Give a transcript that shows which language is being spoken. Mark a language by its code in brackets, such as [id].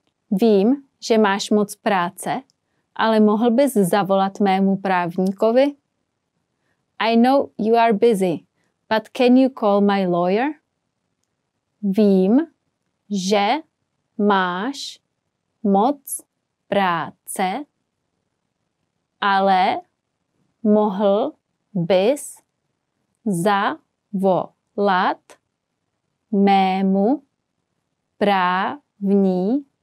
[cs] Vím, že máš moc práce, ale mohl bys zavolat mému právníkovi? [en] I know you are busy, but can you call my lawyer? [cs] Vím, že máš moc práce, ale mohl bys zavolat mému právníkovi?